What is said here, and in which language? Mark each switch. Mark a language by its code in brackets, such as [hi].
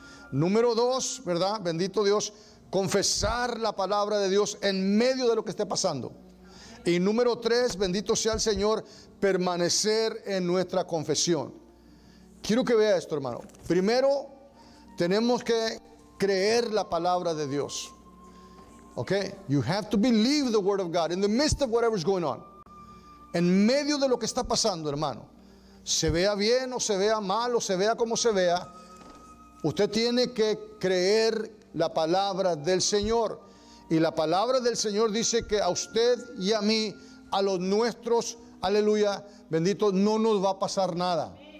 [es] Número dos, ¿verdad? Bendito Dios, confesar la palabra de Dios en medio de lo que esté pasando. Y número tres, bendito sea el Señor, permanecer en nuestra confesión. Quiero que vea esto, hermano. Primero, tenemos que creer la palabra de Dios. [en] Okay, you have to believe the word of God in the midst of whatever is going on. [es] En medio de lo que está pasando, hermano, se vea bien o se vea mal o se vea como se vea, usted tiene que creer la palabra del Señor. Y la palabra del Señor dice que a usted y a mí, a los nuestros, aleluya, bendito, no nos va a pasar nada.